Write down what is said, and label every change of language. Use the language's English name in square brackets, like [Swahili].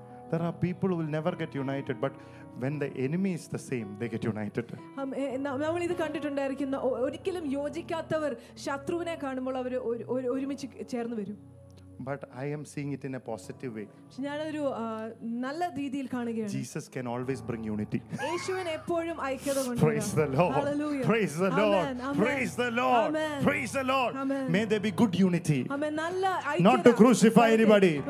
[English] There are people who will never get united, but when the enemy is the same, they get united. [Malayalam] നമ്മൾ ഇത് കണ്ടിട്ടുണ്ടായിരിക്കുന്ന ഒരിക്കലും യോജിക്കാത്തവർ ശത്രുവിനെ കാണുമ്പോൾ അവർ ഒരുമിച്ച് ചേർന്നു വരും. [English] But I am seeing it in a positive way. [Malayalam] ഞാൻ ഒരു നല്ല രീതിയിൽ കാണുകയാണ്. [English] Jesus can always bring unity. [Malayalam] യേശുവിനെ എപ്പോഴും ഐക്യത കൊണ്ടുവരും. [English] Praise the Lord. Hallelujah. Praise the Lord. Amen. Praise the Lord. Amen. Praise the Lord. Amen. May there be good unity. [Malayalam] Amen. നല്ല ഐക്യത. [English] Not to crucify anybody.